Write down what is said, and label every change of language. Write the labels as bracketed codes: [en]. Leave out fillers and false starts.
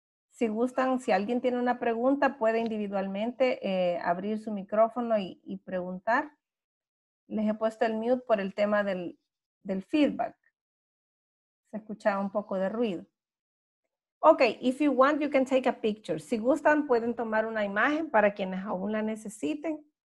[es] Si gustan, si alguien tiene una pregunta, puede individualmente abrir su micrófono y preguntar. Les he puesto el mute por el tema del feedback. Se escuchaba un poco de ruido. [en] Okay, if you want, you can take a picture. [es] Si gustan, pueden tomar una imagen para quienes aún la necesiten.